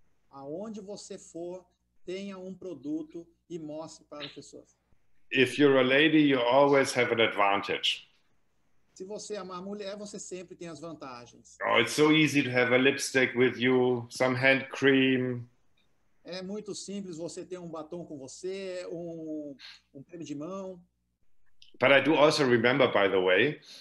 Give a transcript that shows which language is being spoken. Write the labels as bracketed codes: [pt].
[pt] Aonde você for, tenha produto e mostre para as pessoas. [en] If you're a lady, you always have an advantage. [pt] Se você é uma mulher, você sempre tem as vantagens. [en] Oh, it's so easy to have a lipstick with you, some hand cream. [pt] É muito simples você ter batom com você, creme de mão. [en] But I do also remember, by the way.